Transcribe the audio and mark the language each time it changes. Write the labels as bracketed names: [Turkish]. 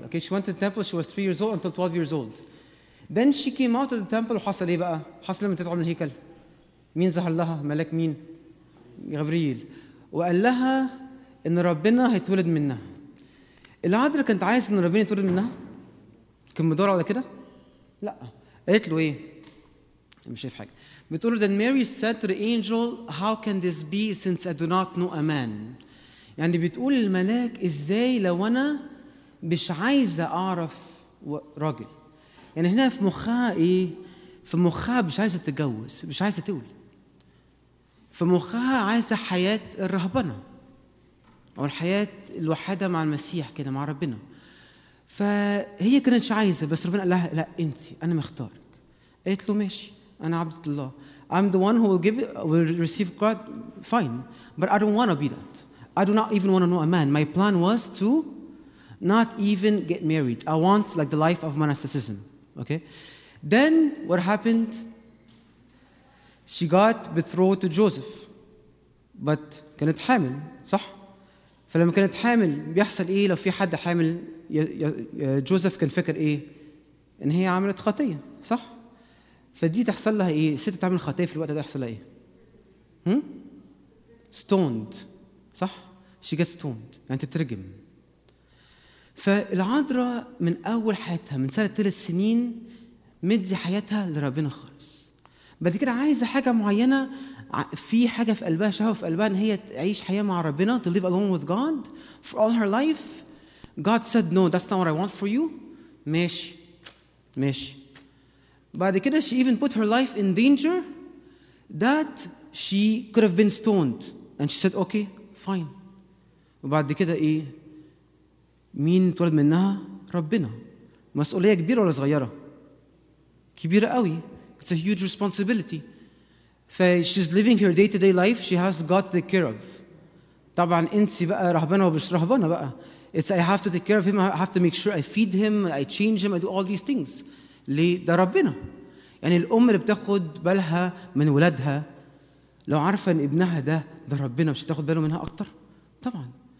[English] Okay, she went to the temple, she was 3 years old until 12 years old. Then she came out of the temple. [Arabic] وحصل ايه بقى؟ حصل لما تدخل من الهيكل مين ظهر لها؟ ملاك مين؟ غبريل. وقال لها ان ربنا هيتولد منها. العذراء كانت عايز ان ربنا يتولد منها؟ كان مدور على كده؟ لا. قالت له ايه؟ مش شايف حاجه. بتقول [English] then Mary said to the angel, how can this be since I do not know a man. [Arabic] يعني بتقول الملاك ازاي لو انا مش عايزه اعرف راجل؟ يعني هنا في مخها ايه؟ في مخها مش عايزه تتجوز، مش عايزه تولد. في مخها عايزه حياه الرهبنه او الحياه الوحده مع المسيح كده مع ربنا. فهي كانت مش عايزه، بس ربنا قال لها لا انت، انا مختارك. قالت له ماشي، انا عبد الله. [English] I'm the one who will give will receive God fine, but I don't want to be that. I do not even want to know a man. My plan was to not even get married. I want like the life of monasticism. Okay? Then what happened? She got betrothed to Joseph. But [Arabic] كانت حامل، صح؟ فلما كانت حامل بيحصل ايه لو في حد حامل؟ يوسف كان فكر ايه؟ ان هي عملت خطيه، صح؟ فدي تحصل لها ايه؟ الست تعمل خطيه في الوقت ده يحصل لها ايه؟ [English] stoned، [Arabic] صح؟ [English] she gets stoned، [Arabic] يعني تترجم. فالعذراء من اول حياتها من سنه 3 سنين مدي حياتها لربنا خالص. بعد كده عايزه حاجه معينه، في حاجه في قلبها، شهوه في قلبها ان هي تعيش حياه مع ربنا، [English] to live alone with God for all her life. God said no, that's not what I want for you. [Arabic] ماشي. بعد كده [English] she even put her life in danger that she could have been stoned and she said okay fine. [Arabic] وبعد كده ايه؟ مين اتولد منها؟ ربنا. مسؤوليه كبيره ولا صغيره؟ كبيره قوي. [English] It's a huge responsibility. ف she's living her day to day life, she has God to take care of. [Arabic] طبعا انسي بقى رهبنه ومش رهبنه بقى. [English] It's I have to take care of him, I have to make sure I feed him, I change him, I do all these things. [Arabic] ليه؟ ده ربنا. يعني الام اللي بتاخد بالها من ولادها لو عارفه ان ابنها ده ربنا مش هتاخد باله منها اكتر؟ طبعا.